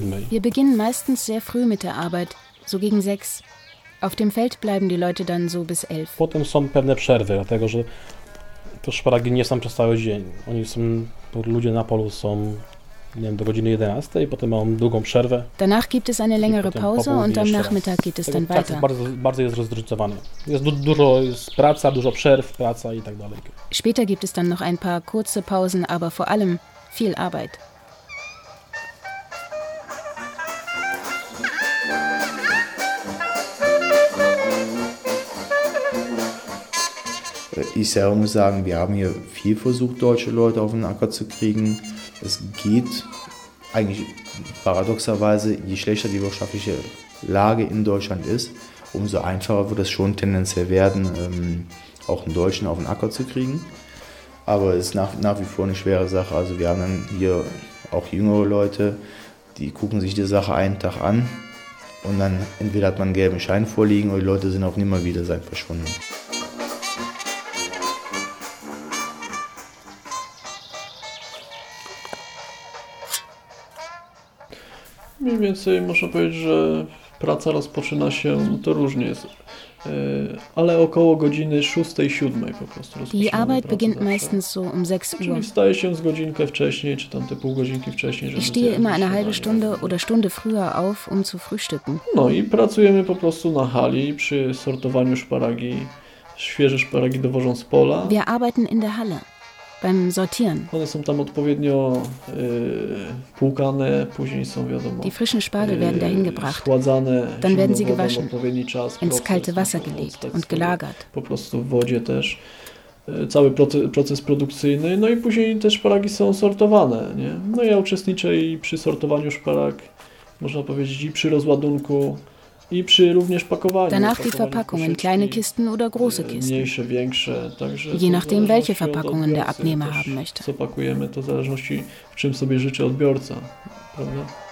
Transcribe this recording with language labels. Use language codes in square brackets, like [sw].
[de] Wir beginnen meistens sehr früh mit der Arbeit, so gegen 6. Auf dem Feld bleiben die Leute dann so bis 11. [pl] Potem są pewne przerwy, dlatego że te szparagi nie są przez cały dzień. Oni są, ludzie na polu są, nie wiem, do godziny 11, potem mają długą przerwę. [de] Danach gibt es eine längere Pause und am Nachmittag geht es dann weiter. [pl] Tak, bardzo, bardzo jest rozróżnicowane. Jest praca, dużo przerw, praca i tak dalej. [de] Später gibt es dann noch ein paar kurze Pausen, aber vor allem viel Arbeit. Ich selber muss sagen, wir haben hier viel versucht, deutsche Leute auf den Acker zu kriegen. Es geht eigentlich paradoxerweise, je schlechter die wirtschaftliche Lage in Deutschland ist, umso einfacher wird es schon tendenziell werden, auch einen Deutschen auf den Acker zu kriegen. Aber es ist nach wie vor eine schwere Sache. Also wir haben dann hier auch jüngere Leute, die gucken sich die Sache einen Tag an und dann entweder hat man einen gelben Schein vorliegen oder die Leute sind auch nimmer wieder sein verschwunden. [pl] Mniej więcej można powiedzieć, że praca rozpoczyna się, to różnie jest. Alle około godziny 6, 7 po prostu. [de] Die Arbeit beginnt meistens so um 6 Uhr. [pl] Czyli staję się z godzinkę wcześniej, czy tam te pół godzinki wcześniej. [de] Ich stehe immer eine halbe Stunde oder Stunde früher auf, um zu frühstücken. [pl] No i pracujemy po prostu na hali przy sortowaniu szparagi. Świeże szparagi dowożą z pola. [de] Wir arbeiten in der Halle beim Sortieren. [pl] One są tam odpowiednio płukane, później są, wiadomo, [de] die frischen Spargel werden dahin gebracht. [pl] Schładzane, [de] dann werden sie gewaschen, [pl] odpowiedni czas, [de] ins kalte Wasser gelegt und gelagert. [pl] Po prostu w wodzie też. Cały proces produkcyjny, no i później te szparagi są sortowane, nie? No ja uczestniczę i przy sortowaniu szparag, można powiedzieć, i przy rozładunku, i przy również pakowaniu. [de] Danach die Verpackungen, kleine Kisten oder große Kisten. [pl] Mniejsze, większe, także [de] je nachdem welche Verpackungen der Abnehmer haben möchte. [pl] Co pakujemy, to w zależności, w czym sobie życzy odbiorca, prawda?